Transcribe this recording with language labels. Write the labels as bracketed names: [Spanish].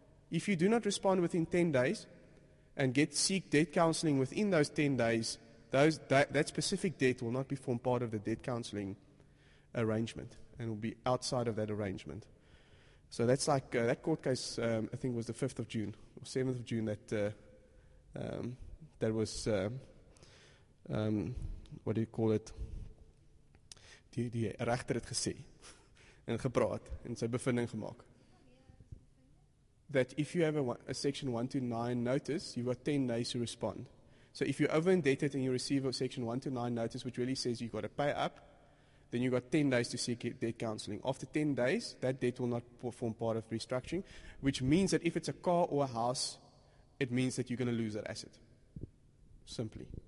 [English] If you do not respond within 10 days and seek debt counseling within those 10 days, that specific debt will not be formed part of the debt counseling arrangement and will be outside of that arrangement. So that's like that court case, I think, was the 5th of June or 7th of June that was, what do you call it? [Afrikaans] Die rechter het gesê en gepraat en sy bevinding gemaak. [English] That if you have a section 129 notice, you've got 10 days to respond. So if you're over indebted and you receive a section 129 notice, which really says you've got to pay up, then you've got 10 days to seek debt counseling. After 10 days, that debt will not form part of restructuring, which means that if it's a car or a house, it means that you're going to lose that asset, simply.